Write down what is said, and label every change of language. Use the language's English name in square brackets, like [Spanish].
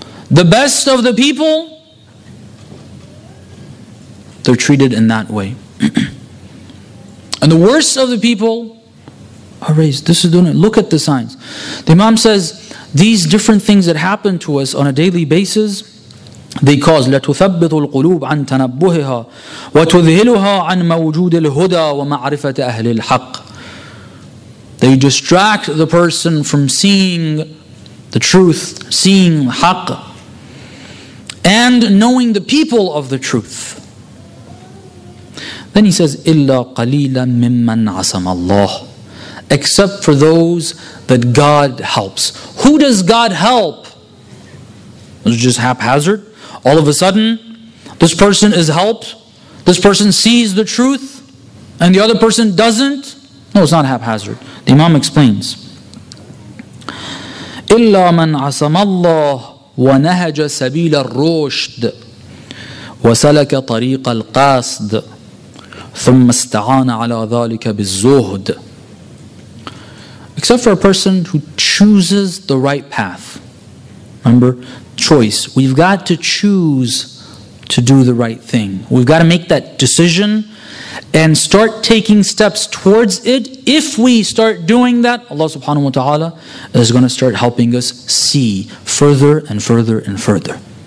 [English] The best of the people, they're treated in that way. And the worst of the people are raised. This is dunya. Look at the signs. The Imam says, these different things that happen to us on a daily basis, They cause [Arabic] لتثبت القلوب عن تنبهها وتذهلها عن موجود الهدى ومعرفة أهل الحق. [English] They distract the person from seeing the truth, seeing haqq, and knowing the people of the truth. Then he says, [Arabic] إِلَّا قَلِيلًا مِمَّنْ عَصَمَ اللَّهِ, [English] except for those that God helps. Who does God help? It's just haphazard. All of a sudden, this person is helped. This person sees the truth, and the other person doesn't. No, it's not haphazard. The Imam explains, [Arabic] إِلَّا مَنْ عَصَمَ اللَّهِ وَنَهَجَ سَبِيلَ الرُّشْدِ وَسَلَكَ طَرِيقَ الْقَاسْدِ ثُمَّ اسْتَعَانَ عَلَى ذَلِكَ بِالزُّهْدِ. [English] Except for a person who chooses the right path. Remember, choice. We've got to choose to do the right thing. We've got to make that decision and start taking steps towards it. If we start doing that, Allah subhanahu wa ta'ala is going to start helping us see further and further and further.